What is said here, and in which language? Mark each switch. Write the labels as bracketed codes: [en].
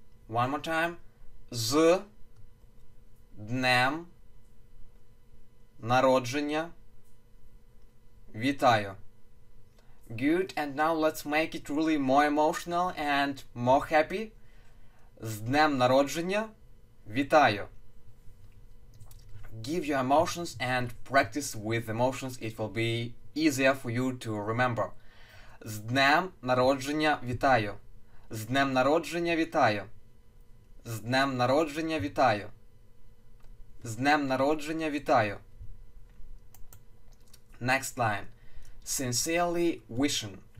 [en] One more time: [uk] з днем народження вітаю. [en] Good, and now let's make it really more emotional and more happy. [uk] З днем народження вітаю. [en] Give your emotions and practice with emotions. It will be easier for you to remember. [uk] З днем народження вітаю. З днем народження вітаю. З днем народження вітаю. З днем народження вітаю. [en] Next line. Sincerely wishing.